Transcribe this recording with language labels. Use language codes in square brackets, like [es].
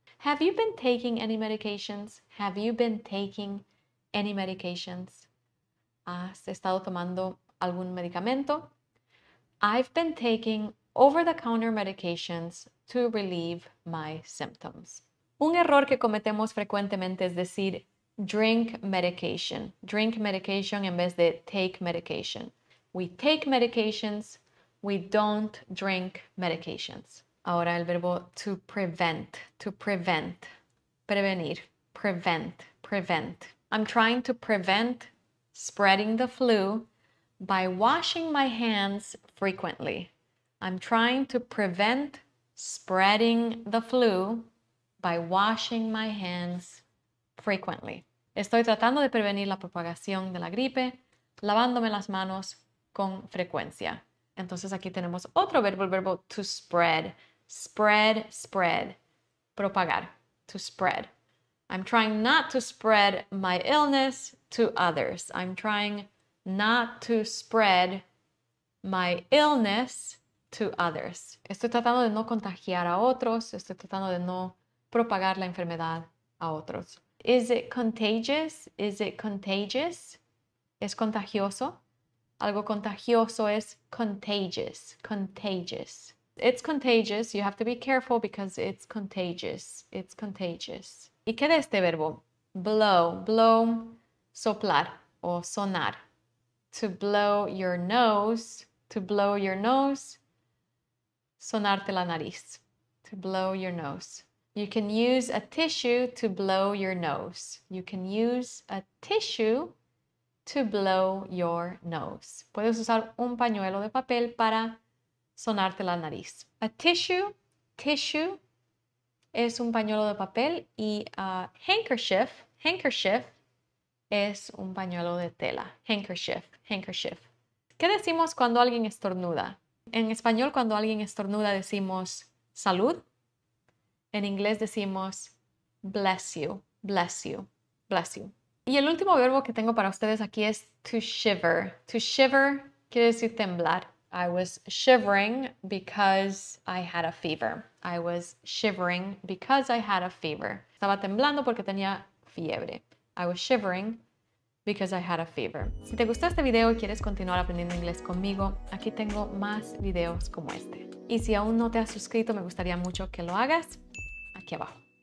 [en] Have you been taking any medications? Have you been taking any medications? [es] ¿Has estado tomando algún medicamento? [en] I've been taking over-the-counter medications to relieve my symptoms. [es] Un error que cometemos frecuentemente es decir [en] drink medication. Drink medication [es] en vez de [en] take medication. We take medications, we don't drink medications. [es] Ahora el verbo [en] to prevent, [es] prevenir, [en] prevent, prevent. I'm trying to prevent spreading the flu by washing my hands frequently. I'm trying to prevent spreading the flu by washing my hands frequently. [es] Estoy tratando de prevenir la propagación de la gripe lavándome las manos con frecuencia. Entonces aquí tenemos otro verbo, el verbo [en] to spread. Spread, spread, [es] propagar, [en] to spread. I'm trying not to spread my illness to others. I'm trying not to spread my illness to others. [es] Estoy tratando de no contagiar a otros. Estoy tratando de no propagar la enfermedad a otros. [en] Is it contagious? Is it contagious? [es] ¿Es contagioso? Algo contagioso es [en] contagious. Contagious. It's contagious. You have to be careful because it's contagious. It's contagious. [es] ¿Y qué de este verbo? [en] Blow. Blow. [es] Soplar o sonar. [en] To blow your nose. To blow your nose. [es] Sonarte la nariz. [en] To blow your nose. You can use a tissue to blow your nose. You can use a tissue to blow your nose. [es] Puedes usar un pañuelo de papel para sonarte la nariz. [en] A tissue, tissue [es] es un pañuelo de papel y [en] a handkerchief, handkerchief [es] es un pañuelo de tela. [en] Handkerchief, handkerchief. [es] ¿Qué decimos cuando alguien estornuda? En español, cuando alguien estornuda, decimos salud. En inglés decimos [en] bless you, bless you, bless you. [es] Y el último verbo que tengo para ustedes aquí es [en] to shiver. To shiver [es] quiere decir temblar. [en] I was shivering because I had a fever. I was shivering because I had a fever. [es] Estaba temblando porque tenía fiebre. [en] I was shivering because I had a fever. [es] Si te gustó este video y quieres continuar aprendiendo inglés conmigo, aquí tengo más videos como este. Y si aún no te has suscrito, me gustaría mucho que lo hagas aquí abajo.